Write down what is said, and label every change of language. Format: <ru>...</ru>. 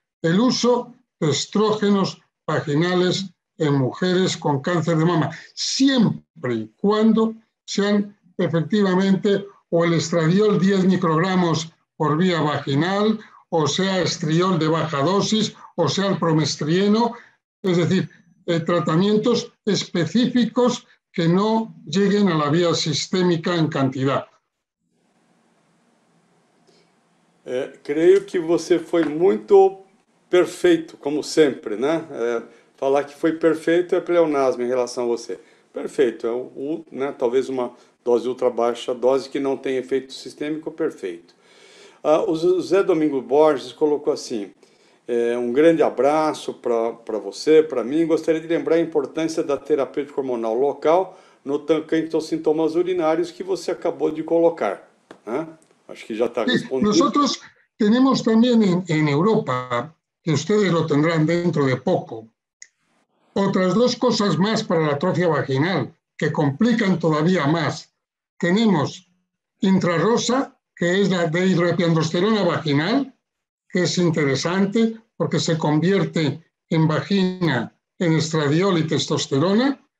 <es>el uso de estrógenos vaginales en mujeres con cáncer de mama, siempre y cuando sean efectivamente o el estradiol 10 microgramos por vía vaginal, o sea estriol de baja dosis, o sea el promestrieno, es decir, tratamientos específicos que no lleguen a la vía sistémica en cantidad.</es> <pt>Creo que você foi muito perfeito, como sempre, né? Falar que foi perfeito é pleonasmo em relação a você. Perfeito, talvez uma dose ultra baixa, dose que não tem efeito sistêmico, perfeito. O Zé Domingos Borges colocou assim, um grande abraço para você, para mim. Gostaria de lembrar a importância da terapêutica hormonal local no tocante aos sintomas urinários que você acabou de colocar. Né? Acho que já está respondido.</pt> <es>Sí, nosotros tenemos también en Europa, que ustedes lo tendrán dentro de poco, otras dos cosas más para la atrofia vaginal, que complican todavía más. Tenemos intrarrosa, que es la dehidroepiandrosterona vaginal, que es interesante porque se convierte en vagina, en estradiol y testosterona.</es>